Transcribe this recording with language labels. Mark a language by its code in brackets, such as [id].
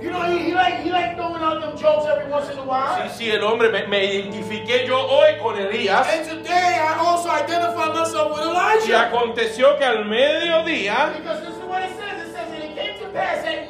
[en] You know, he liked throwing out them jokes every once in a while. [es] Sí, el hombre, me identifiqué yo hoy con Elías. [en] And today I also identify myself with Elijah. [es] Y aconteció que al mediodía. [en] Because this is what it says. It says that it came to pass at